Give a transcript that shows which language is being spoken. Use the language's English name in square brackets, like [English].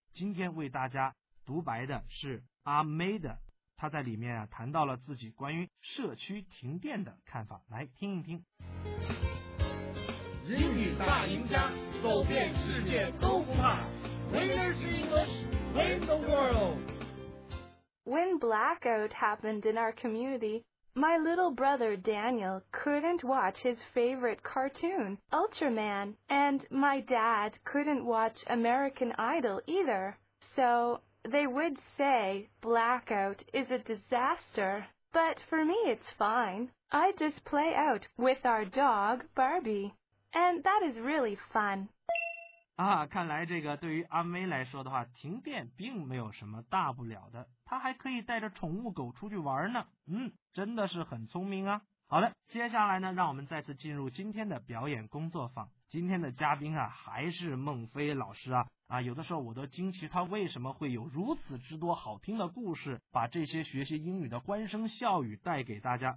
[Chinese] 今天为大家独白的是阿妹的，她在里面啊谈到了自己关于社区停电的看法，来听一听。英语大赢家，走遍世界都不怕。 [English] Winners English, win the world. When blackout happened in our community,My little brother Daniel couldn't watch his favorite cartoon, Ultraman, and my dad couldn't watch American Idol either. So they would say blackout is a disaster, but for me it's fine. I just play out with our dog Barbie, and that is really fun. [Chinese] 啊，看来这个对于阿妹来说的话，停电并没有什么大不了的。他还可以带着宠物狗出去玩呢，真的是很聪明啊。好的，接下来呢让我们再次进入今天的表演工作坊。今天的嘉宾啊还是孟非老师啊有的时候我都惊奇他为什么会有如此之多好听的故事，把这些学习英语的欢声笑语带给大家。